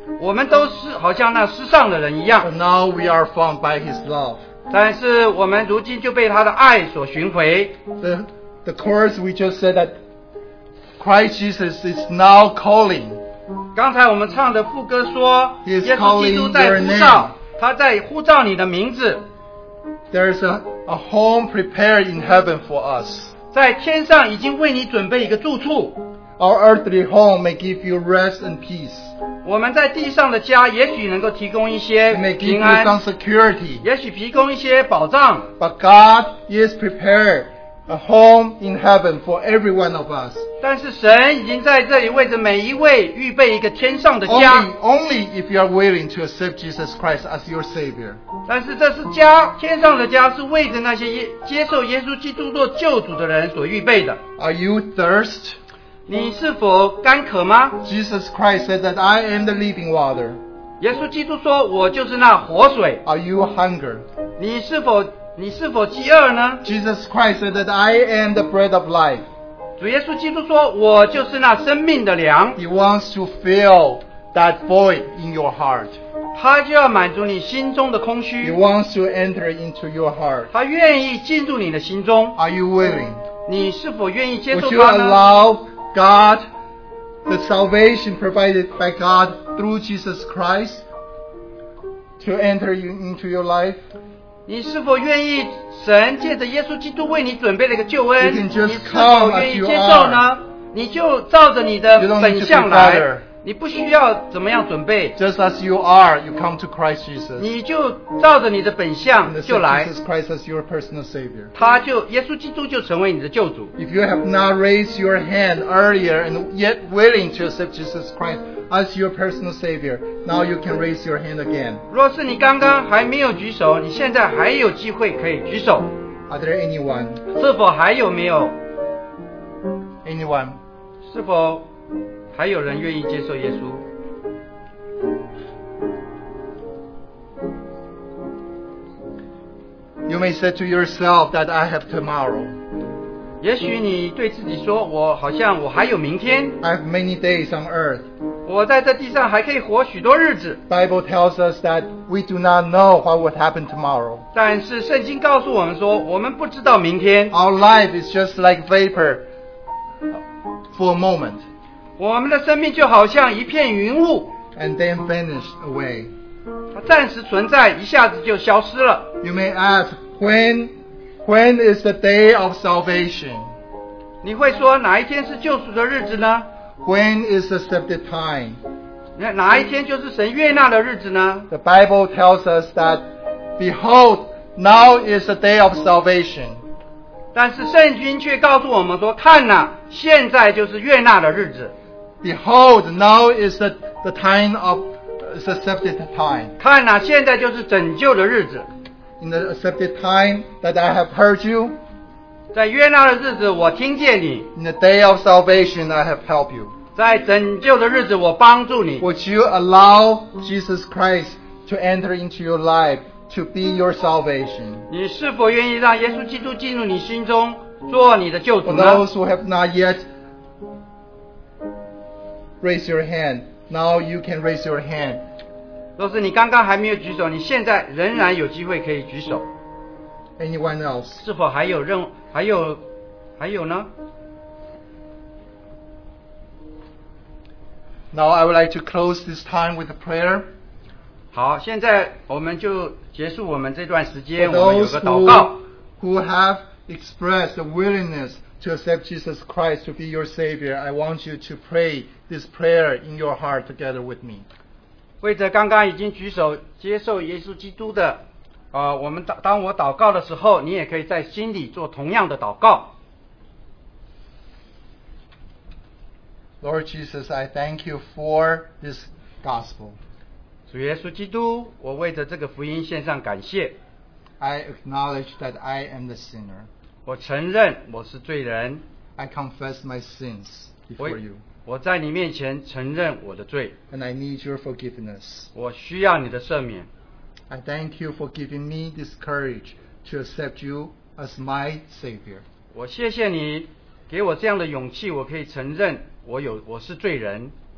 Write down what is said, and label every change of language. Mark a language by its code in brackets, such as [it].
[zh] 我们都是好像那世上的人一样。 [en] But now we are found by His love. [zh] 但是我们如今就被他的爱所寻回。 [en] The chorus we just said that Christ Jesus is now calling. [zh] 刚才我们唱的副歌说，耶稣基督在呼召，他在呼召你的名字。 [en] There's a home prepared in heaven for us. [zh] 在天上已经为你准备一个住处。 [en] Our earthly home may give you rest and peace. [zh] 我们在地上的家也许能够提供一些平安。 [en] May give you some security. [zh] 也许提供一些保障。 [en] But God is prepared a home in heaven for every one of us. [zh] 但是神已经在这里为着每一位预备一个天上的家。 [en] Only if you are willing to accept Jesus Christ as your Savior. [zh] 但是这是家，天上的家是为着那些接受耶稣基督做救主的人所预备的。 [en] Are you thirst? [zh] 你是否干渴吗？ [en] Jesus Christ said that I am the living water. [zh] 耶稣基督说，我就是那活水。 [en] Are you hunger? [zh] 你是否饥饿呢？ [en] Jesus Christ said that I am the bread of life. [zh] 主耶稣基督说，我就是那生命的粮。 [en] He wants to fill that void in your heart. [zh] 他就要满足你心中的空虚。 [en] He wants to enter into your heart. [zh] 他愿意进入你的心中。 [en] Are you willing? [zh] 你是否愿意接受他呢？ [en] Would you allow God, the salvation provided by God through Jesus Christ, to enter you into your life? [zh] 你是否愿意神借着耶稣基督为你准备了一个救恩？ [en] You can just [zh] 你是否愿意接受呢？你就照着你的本相来，你不需要怎么样准备。 [en] Just as you are, you come to Christ Jesus. [zh] 你就照着你的本相就来。 [en] Jesus Christ as your personal Savior. [zh] 他就耶稣基督就成为你的救主。 [en] If you have not raised your hand earlier and yet willing to accept Jesus Christ as your personal Savior, now you can raise your hand again. [zh] 若是你刚刚还没有举手，你现在还有机会可以举手。 [en] Are there anyone? [zh] 是否还有没有 [en] anyone? [zh] 是否还有人愿意接受耶稣？ [en] You may say to yourself that I have tomorrow. [zh] 也许你对自己说，我好像我还有明天。 [en] I have many days on earth. [zh] 我在这地上还可以活许多日子。 [en] Bible tells us that we do not know what would happen tomorrow. [zh] 但是圣经告诉我们说，我们不知道明天。 [en] Our life is just like vapor for a moment. [zh] 我们的生命就好像一片云雾 [en] and then vanish away. [zh] 它暂时存在，一下子就消失了。 [en] You may ask, when is the day of salvation? [zh] 你会说哪一天是救赎的日子呢？ [en] When is the accepted time? [zh] 哪一天就是神悦纳的日子呢？ [en] The Bible tells us that, behold, now is the day of salvation. [zh] 但是圣经却告诉我们说，看哪，现在就是悦纳的日子。 [en] Behold, now is the time of the accepted time. [zh] 看哪，现在就是拯救的日子。 [en] In the accepted time that I have heard you. [zh] 在悦纳的日子，我听见你。 [en] In the day of salvation, I have helped you. [zh] 在拯救的日子，我帮助你。 [en] Would you allow Jesus Christ to enter into your life? To be your salvation. [zh] 你是否愿意让耶稣基督进入你心中做你的救主呢？ [en] For those who have not yet raised your hand, now you can raise your hand. [zh] 若是你刚刚还没有举手，你现在仍然有机会可以举手。 [en] Anyone else? [zh] 是否还有任还有还有呢？ [en] Now I would like to close this time with a prayer. [zh] 好，现在我们就结束我们这段时间，我们有个祷告。 [en] Who have expressed the willingness to accept Jesus Christ to be your Savior, I want you to pray this prayer in your heart together with me. [zh] 为着刚刚已经举手接受耶稣基督的，我们当我祷告的时候，你也可以在心里做同样的祷告。 [en] Lord Jesus, I thank you for this gospel. [zh] 主耶稣基督，我为着这个福音献上感谢。 [en] I acknowledge that I am the sinner. [zh] 我承认我是罪人。 [en] I confess my sins before you. [zh] 我在你面前承认我的罪。 [en] And I need your forgiveness. [zh] 我需要你的赦免。 [en] I thank you for giving me this courage to accept you as my Savior. [zh] 我谢谢你给我这样的勇气，我可以承认我是罪人。